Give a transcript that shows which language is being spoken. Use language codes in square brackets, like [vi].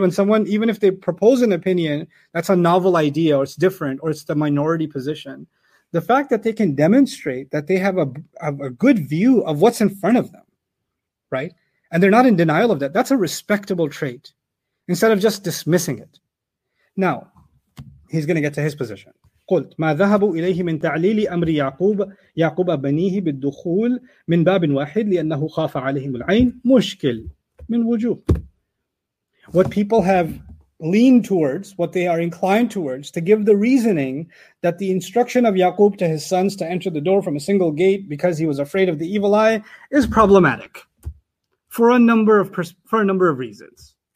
[en] When someone, even if they propose an opinion, that's a novel idea, or it's different, or it's the minority position. The fact that they can demonstrate that they have a good view of what's in front of them, right? And they're not in denial of that. That's a respectable trait, instead of just dismissing it. Now, he's going to get to his position. [ar] قلت ما ذهبوا إليه من تعليل أمر يعقوب بنيه بالدخول من باب واحد لأنه خاف عليهم العين مشكل من وجوه. [en] What people have leaned towards, what they are inclined towards, to give the reasoning that the instruction of Yaqub to his sons to enter the door from a single gate because he was afraid of the evil eye is problematic for a number of reasons.